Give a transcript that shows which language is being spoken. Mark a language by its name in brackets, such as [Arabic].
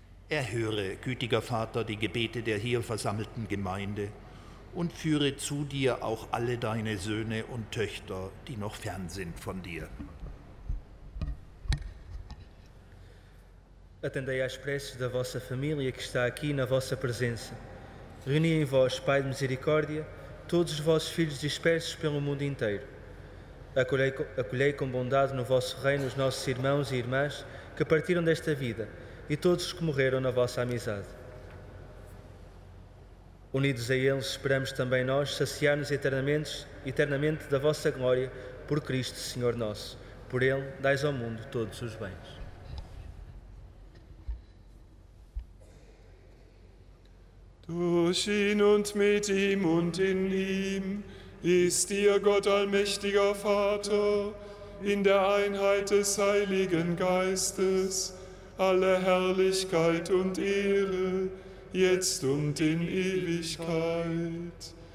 [German] Erhöre, gütiger Vater, die Gebete der hier versammelten Gemeinde und führe zu dir auch alle deine Söhne und Töchter, die noch fern sind von dir. [Portuguese] Attendei às preces da vossa família que está aqui na vossa presença. Reuni em vós, Pai de Misericórdia, todos os vossos filhos dispersos pelo mundo inteiro. Acolhei com bondade no vosso reino os nossos irmãos e irmãs que partiram desta vida, e todos os que morreram na vossa amizade. Unidos a eles, esperamos também nós saciar-nos eternamente da vossa glória por Cristo, Senhor nosso. Por Ele, dais ao mundo todos os bens. [German] Durch ihn und mit ihm und in ihm, ist dir, Gott allmächtiger Vater, in der Einheit des Heiligen Geistes, alle Herrlichkeit und Ehre, jetzt und in Ewigkeit.